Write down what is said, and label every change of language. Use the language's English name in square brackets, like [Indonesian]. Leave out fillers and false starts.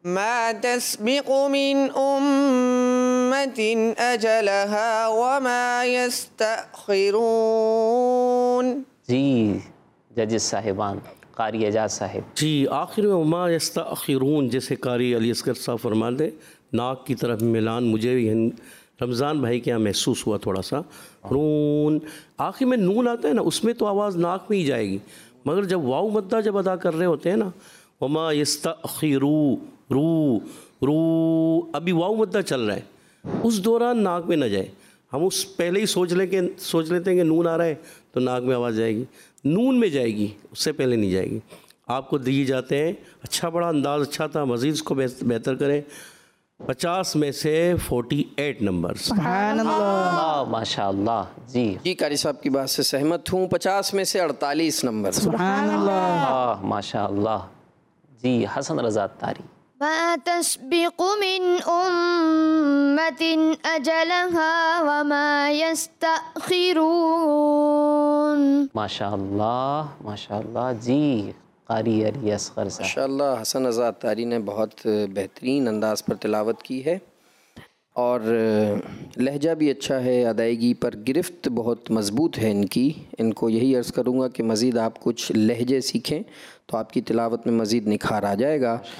[Arabic] ما تسبق من امت اجلها وما يستأخرون. [Urdu] جی ججز صاحبان، قاری اعجاز صاحب. جی آخر میں ما يستأخرون، جسے قاری علی اصغر صاحب فرما دے، ناک کی طرف ملان مجھے بھی رمضان بھائی کے یہاں محسوس ہوا تھوڑا سا. رون آخر میں نون آتا ہے نا، اس میں تو آواز ناک میں ہی جائے گی، مگر جب واؤ مدہ جب ادا کر رہے ہوتے ہیں نا، وما يستأخرو رو رو، ابھی واؤ مدہ چل رہا ہے، اس دوران ناک میں نہ جائے. ہم اس پہلے ہی سوچ لیتے ہیں کہ نون آ رہا ہے تو ناک میں آواز جائے گی، نون میں جائے گی، اس سے پہلے نہیں جائے گی. آپ کو دیے جاتے ہیں، اچھا بڑا انداز اچھا تھا، مزید اس کو بہتر کریں. 50 میں سے 48 نمبر. سبحان اللہ، ماشاء اللہ. جی جی قاری صاحب کی بات سے سہمت ہوں، 50 میں سے 48 نمبر. سبحان اللہ، ماشاء اللہ. جی حسن رضا تاری. [Arabic] ما تسبق من أمة أجلها وما يستأخرون. [Urdu] ما شاء الله ما شاء الله. جی قاری علی اصغر صاحب، ماشاء اللہ حسن آزاد تاری نے بہت بہترین انداز پر تلاوت کی ہے اور لہجہ بھی اچھا ہے، ادائیگی پر گرفت بہت مضبوط ہے ان کی. ان کو یہی عرض کروں گا کہ مزید آپ کچھ لہجے سیکھیں تو آپ کی تلاوت میں مزید نکھار آ جائے گا.